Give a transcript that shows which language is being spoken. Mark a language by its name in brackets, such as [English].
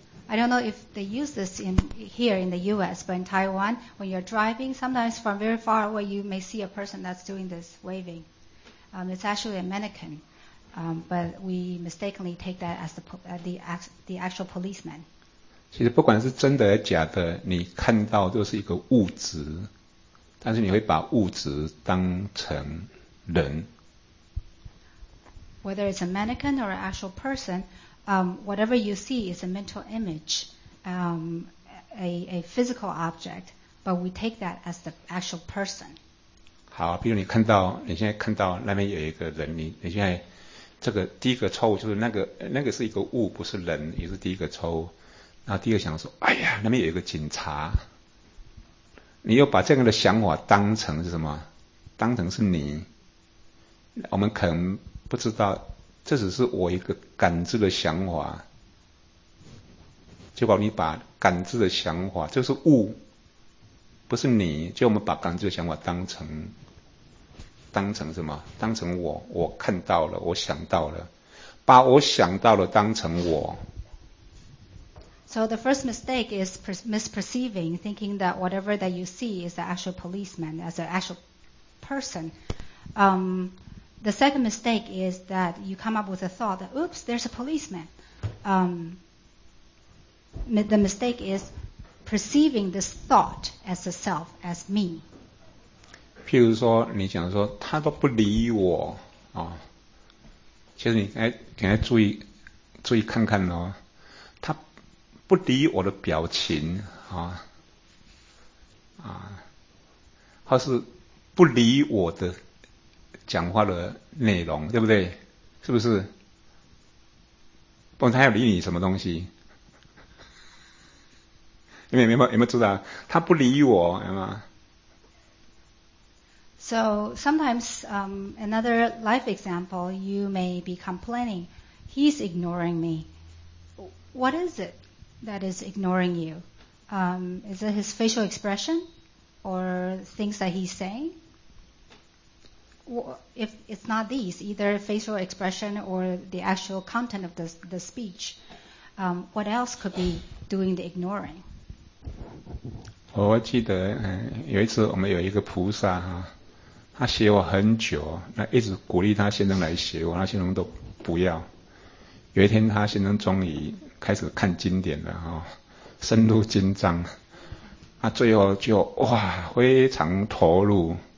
[English] I don't know if they use this here in the U.S., but in Taiwan, when you're driving, sometimes from very far away, you may see a person that's doing this, waving. It's actually a mannequin. But we mistakenly take that as the actual policeman. [Chinese] 其实不管是真的还是假的，你看到都是一个物质，但是你会把物质当成人。 [English] Whether it's a mannequin or an actual person, whatever you see is a mental image, a physical object, but we take that as the actual person. [Chinese] 好，比如你看到，你现在看到那边有一个人，你现在这个第一个错误就是那个是一个物，不是人，也是第一个错误。然后第二想说，哎呀，那边有一个警察，你又把这样的想法当成是什么？当成是你，我们可能不知道，这只是我一个感知的想法，结果你把感知的想法，这是物，不是你，就我们把感知的想法当成什么？当成我，我看到了，我想到了，把我想到了当成我。 [English] So the first mistake is misperceiving, thinking that whatever that you see is the actual policeman, as an actual person. The second mistake is that you come up with a thought that, oops, there's a policeman. The mistake is perceiving this thought as a self, as me. [Chinese] 譬如说你讲说他都不理我、哦、其实你要注意看看哦，他不理我的表情啊啊，或是不理我的讲话的内容，对不对？是不是？不然他要理你什么东西？有没有知道？他不理我，有吗 [English] ？So sometimes, another life example, you may be complaining, he's ignoring me. What is it? That is ignoring you. Is it his facial expression or things that he's saying? Well, if it's not these, either facial expression or the actual content of the speech, what else could be doing the ignoring? [Chinese] 我记得有一次我们有一个菩萨哈，他写我很久，那一直鼓励他先生来写我，他先生都不要。有一天他先生终于开始看经典了、哦、深入经章，他最后就哇非常投入、